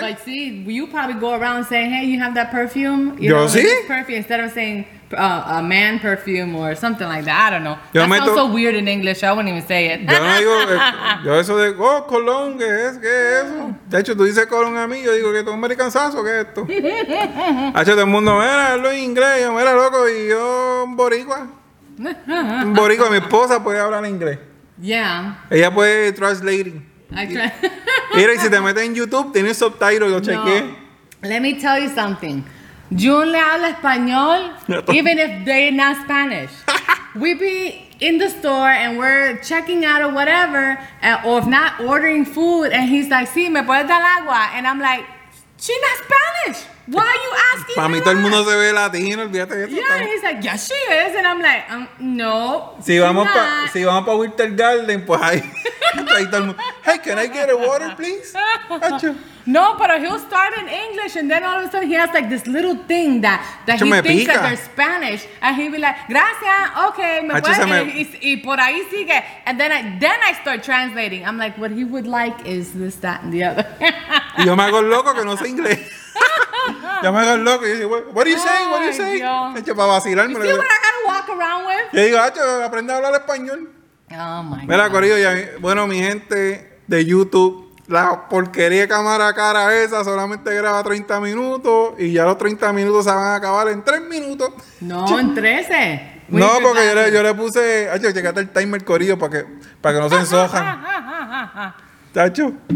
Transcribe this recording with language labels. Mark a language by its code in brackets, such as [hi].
[en] Like, sí, you probably go around saying, hey, you have that perfume. Yo know, sí. Like, perfume, instead of saying a man perfume or something like that. I don't know. That's so weird in English. I wouldn't even say it. [es] Yo no digo, yo eso de, oh, colón, ¿qué es eso? De hecho, tú dices colón a mí, yo digo que tú eres un maricanzazo, ¿qué es esto? Hacho, todo el mundo, mira, hablo en inglés, mira, loco, y yo, boricua. Un borico, mi esposa puede hablar inglés. [en] Yeah. [es] Ella puede translating. Mira, y si te metes en YouTube, tiene subtitles, chequé. [en] Let me tell you something. June [es] le habla español, [en] even if they're not Spanish. We be in the store and we're checking out or whatever, or if not ordering food, and he's like, [es] sí, me puedes dar agua. [en] And I'm like, she's not Spanish. Why are you asking? [es] Para mí todo el mundo se ve latino, olvídate de eso. [en] Yeah, también. He's like, yes, she is. And I'm like, no. [es] Si vamos pa Winter Garden, pues ahí todo el mundo. [en] Hey, can I get a water, please? No, pero he'll start in English and then all of a sudden he has like this little thing that he thinks [es] pica. [en] That they're Spanish. And he'll be like, [es] gracias, okay, me voy. Y por ahí sigue. [en] And then I start translating. I'm like, what he would like is this, that, and the other. [es] Y yo me hago loco que no sé inglés. Ya me hago el loco y dice, [en] what are you saying? [es] Dios. Hecho, para vacilarme. [en] You see what I gotta walk around with? [es] Yo digo, hacho, aprende a hablar español. [en] Oh, my [es] mira, [en] God. [es] Corillo, bueno, mi gente de YouTube, la porquería cámara cara esa solamente graba 30 minutos y ya los 30 minutos se van a acabar en 3 minutos. No, en 13. No, porque yo le puse, hacho, checate el timer, corillo, para que no se ensojan. Tacho.